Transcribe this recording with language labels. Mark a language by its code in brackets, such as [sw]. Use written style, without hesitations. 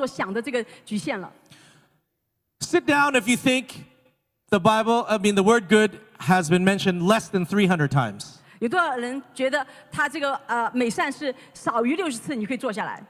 [zh] 就是多少人想到就是已经超过我所想的这个局限了。 [en] Sit down if you think the Bible, I mean the word good has been mentioned less than 300 times. [zh] 有多少人觉得他这个美善是少于60次你可以坐下来?